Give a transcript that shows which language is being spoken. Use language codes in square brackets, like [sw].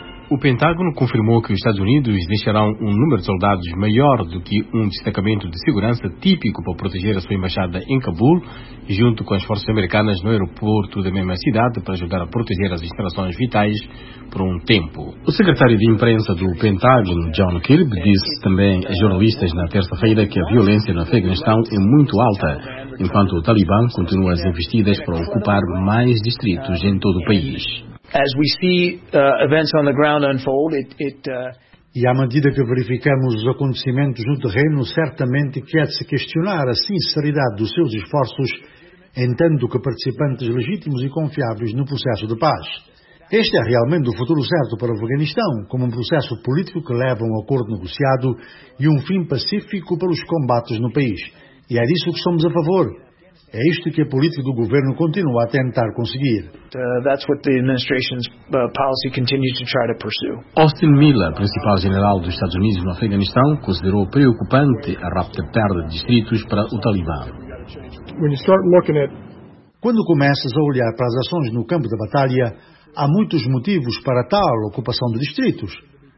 [pt] O Pentágono confirmou que os Estados Unidos deixarão um número de soldados maior do que um destacamento de segurança típico para proteger a sua embaixada em Cabul, junto com as forças americanas no aeroporto da mesma cidade para ajudar a proteger as instalações vitais por um tempo. O secretário de imprensa do Pentágono, John Kirby, disse também a jornalistas na terça-feira que a violência no Afeganistão é muito alta, enquanto o Talibã continua as investidas para ocupar mais distritos em todo o país. [en] As we see events on the ground unfold, [pt] e à medida que verificamos os acontecimentos no terreno, certamente que é de se questionar a sinceridade dos seus esforços, entendo que participantes legítimos e confiáveis no processo de paz. Este é realmente o futuro certo para o Afeganistão, como um processo político que leva a um acordo negociado e um fim pacífico para os combates no país. E é disso que somos a favor. É isto que a política do governo continua a tentar conseguir. [en] That's what the administration's policy continues to try to pursue. [pt] Austin Miller, principal general dos Estados Unidos no Afeganistão, considerou preocupante a rápida perda de distritos para o Talibã. Quando começas a olhar para as ações no campo da batalha, há muitos motivos para tal ocupação de distritos.